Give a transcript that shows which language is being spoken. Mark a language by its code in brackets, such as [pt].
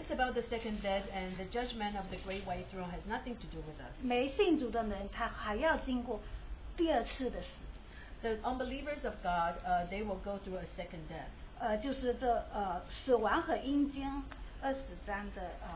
[en] It's about the second death and the judgment of the great white throne has nothing to do with us. [zh] 没信主的人，他还要经过第二次的死。 [en] The unbelievers of God, they will go through a second death. [zh] 就是这死亡和阴间20章的。